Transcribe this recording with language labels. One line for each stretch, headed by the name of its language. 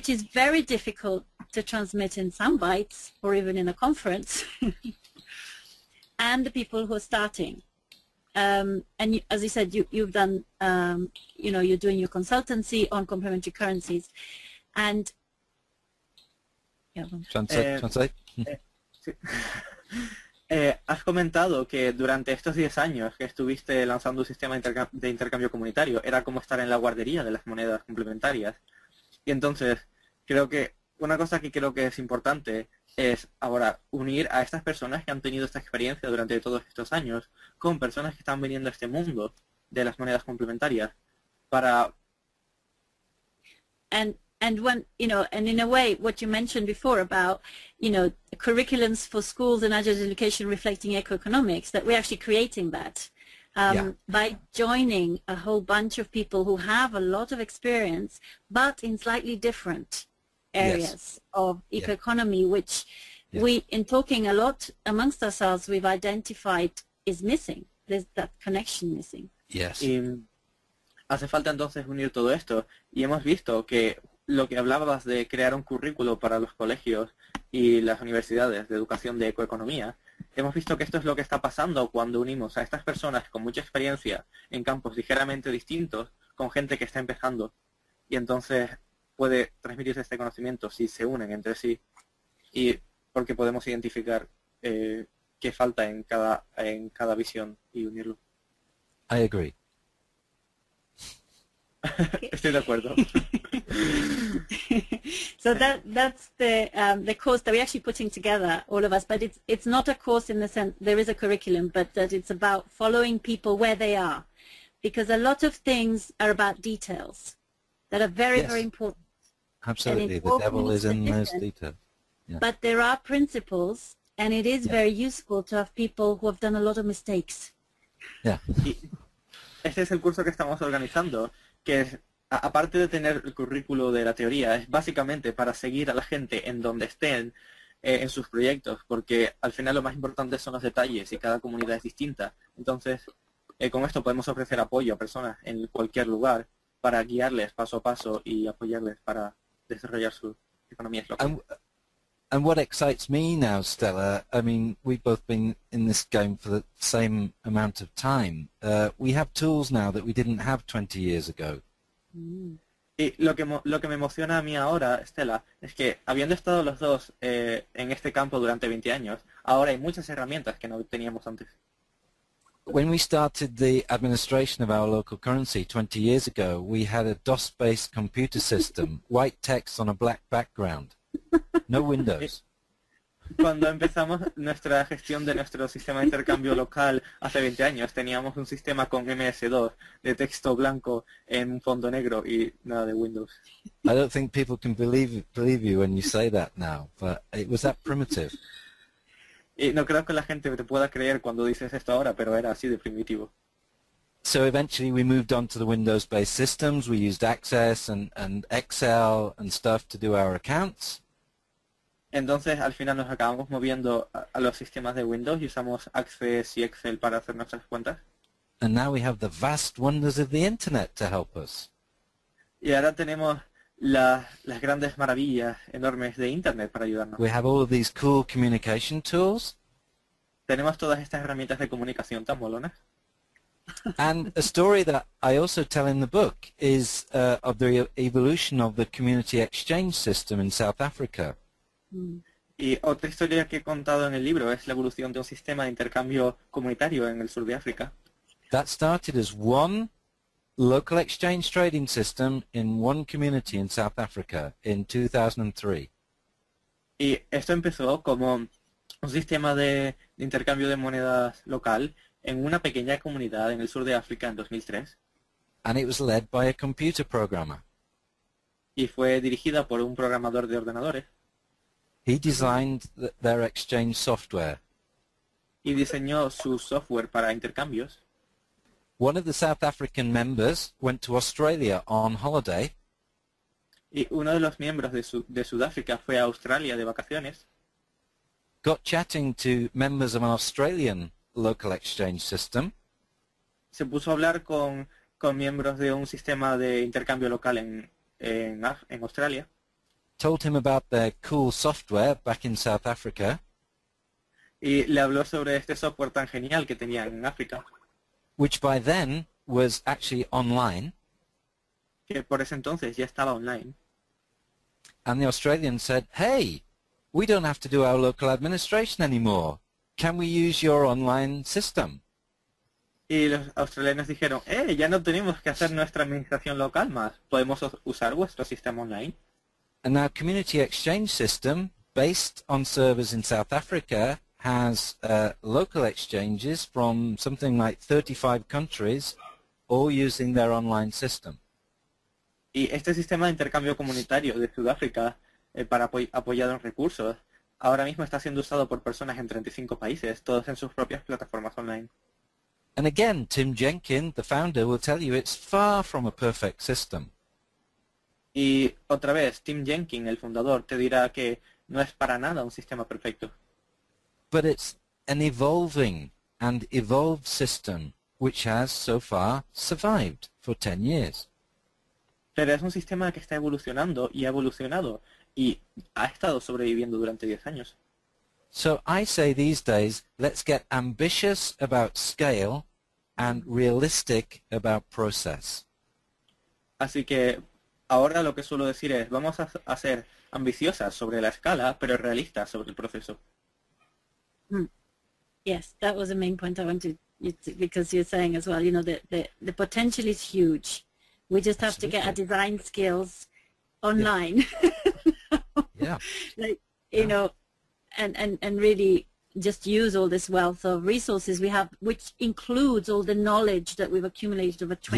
English: which is very difficult to transmit in sound bites or even in a conference, and the people who are starting. And you, as you said, you've done, you know, you're doing your consultancy on complementary currencies. And
Spanish: has comentado que durante estos 10 años que estuviste lanzando un sistema de intercambio comunitario era como estar en la guardería de las monedas complementarias. Y entonces, creo que una cosa que creo que es importante es ahora unir a estas personas que han tenido esta experiencia durante todos estos años con personas que están viniendo a este mundo de las monedas complementarias para...
English: And when, you know, and in a way, what you mentioned before about, you know, curriculums for schools and adult education reflecting eco-economics, that we're actually creating that by joining a whole bunch of people who have a lot of experience, but in slightly different areas of eco-economy, which we, in talking a lot amongst ourselves, we've identified is missing. There's that connection missing. Yes.
Spanish: Hace falta entonces unir todo esto, y hemos visto que lo que hablabas de crear un currículo para los colegios y las universidades de educación de ecoeconomía, hemos visto que esto es lo que está pasando cuando unimos a estas personas con mucha experiencia en campos ligeramente distintos con gente que está empezando. Y entonces puede transmitirse este conocimiento si se unen entre sí, y porque podemos identificar qué falta en cada visión y unirlo.
English: I agree.
Spanish: Estoy de acuerdo.
English: So that's the course that we're actually putting together, all of us, but it's not a course in the sense there is a curriculum, but that it's about following people where they are, because a lot of things are about details that are very, very important. Absolutely, the devil is in those details. Yeah. But there are principles, and it is very useful to have people who have done a lot of mistakes. Yeah.
Spanish: Este es el curso que estamos organizando, que es, aparte de tener el currículo de la teoría, es básicamente para seguir a la gente en donde estén, en sus proyectos, porque al final lo más importante son los detalles y cada comunidad es distinta. Entonces, con esto podemos ofrecer apoyo a personas en cualquier lugar para guiarles paso a paso y apoyarles para desarrollar sus economías locales.
English: And what excites me now, Stella, I mean, we've both been in this game for the same amount of time. We have tools now that we didn't have 20 years ago.
Spanish: Y lo que me emociona a mí ahora, Stella, es que habiendo estado los dos en este campo durante 20 años, ahora hay muchas herramientas que no teníamos antes.
English: When we started the administration of our local currency 20 years ago, we had a DOS-based computer system, white text on a black background. No windows.
Spanish: Cuando empezamos nuestra gestión de nuestro sistema de intercambio local hace 20 años, teníamos un sistema con MS-DOS de texto blanco en un fondo negro y nada de Windows.
English: I don't think people can believe you when you say that now, but it was that primitive.
Spanish: Y no creo que la gente te pueda creer cuando dices esto ahora, pero era así de primitivo.
English: So eventually we moved on to the Windows-based systems. We used Access and Excel and stuff to do our accounts.
Spanish: Entonces, al final nos acabamos moviendo a los sistemas de Windows y usamos Access y Excel para hacer nuestras cuentas.
English: And now we have the vast wonders of the internet to help us.
Spanish: Y ahora tenemos las grandes maravillas enormes de internet para ayudarnos.
English: We have all of these cool communication tools.
Spanish: Tenemos todas estas herramientas de comunicación tan molonas.
English: And a story that I also tell in the book is of the evolution of the community exchange system in South Africa.
Spanish: Y otra historia que he contado en el libro es la evolución de un sistema de intercambio comunitario en el sur de África.
English: That started as one local exchange trading system in one community in South Africa in 2003.
Spanish: Y esto empezó como un sistema de intercambio de monedas local en una pequeña comunidad en el sur de África en 2003.
English: And it was led by a computer programmer.
Spanish: Y fue dirigida por un programador de ordenadores.
English: He designed their exchange software.
Spanish: Y diseñó su software para intercambios.
English: One of the South African members went to Australia on holiday.
Spanish: Y uno de los miembros de Sudáfrica fue a Australia de vacaciones.
English: Got chatting to members of an Australian local exchange system.
Spanish: Se puso a hablar con miembros de un sistema de intercambio local en Australia.
English: Told him about their cool software back in South Africa.
Spanish: Y le habló sobre este software tan genial que tenía en África.
English: Which by then was actually online.
Spanish: Que por ese entonces ya estaba online.
English: And the Australian said, hey, we don't have to do our local administration anymore. Can we use your online system?
Spanish: Y los australianos dijeron, ya no tenemos que hacer nuestra administración local más. Podemos usar vuestro sistema online.
English: And our community exchange system, based on servers in South Africa, has local exchanges from something like 35 countries, all using their online system.
Spanish: Y este sistema de intercambio comunitario de Sudáfrica, para apoyar en recursos, ahora mismo está siendo usado por personas en 35 países, todos en sus propias plataformas online.
English: And again, Tim Jenkin, the founder, will tell you it's far from a perfect system.
Spanish: Y otra vez, Tim Jenkin, el fundador, te dirá que no es para nada un sistema perfecto.
English: But it's an evolving and evolved system which has so far survived for 10 years.
Spanish: Pero es un sistema que está evolucionando y ha evolucionado y ha estado sobreviviendo durante 10 años.
English: So I say these days, let's get ambitious about scale and realistic about process.
Spanish: Así que ahora lo que suelo decir es, vamos a ser ambiciosas sobre la escala, pero realistas sobre el proceso.
English: Yes, that was the main point I wanted you to, because you're saying as well, you know, the potential is huge. We just have Absolutely. To get our design skills online. Yeah. Like, you yeah. know, and really just use all this wealth of resources we have, which includes all the knowledge that we've accumulated over 20